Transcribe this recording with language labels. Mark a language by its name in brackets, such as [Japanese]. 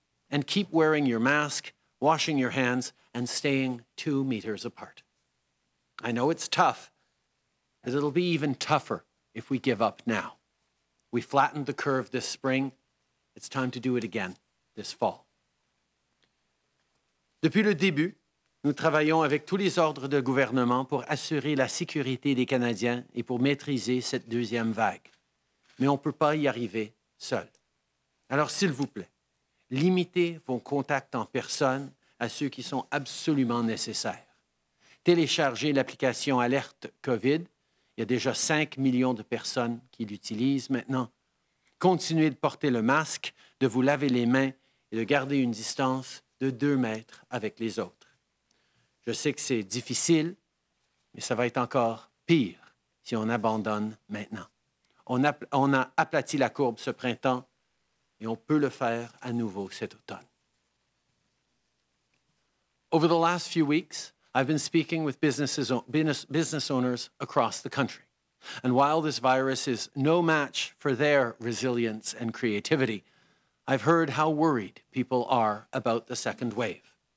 [English] And keep wearing your mask, washing your hands, and staying 2 meters apart. I know it's tough, but it'll be even tougher if we give up now. We flattened the curve this spring. It's time to do it again this fall. [French] Depuis le début, nous travaillons avec tous les ordres de gouvernement pour assurer la sécurité des Canadiens et pour maîtriser cette deuxième vague. Mais on ne peut pas y arriver seul. Alors, s'il vous plaît, limitez vos contacts en personne à ceux qui sont absolument nécessaires. Téléchargez l'application Alerte COVID. Il y a déjà 5 millions de personnes qui l'utilisent maintenant. Continuez de porter le masque, de vous laver les mains et de garder une distance de 2 mètres avec les autres. Je sais que c'est difficile, mais ça va être encore pire si on abandonne maintenant. On a aplati la courbe ce printemps et on peut le faire à nouveau cet automne. [English] Over the last few weeks, I've been speaking with business owners across the country. And while this virus is no match for their resilience and creativity, I've heard how worried people are about the second wave.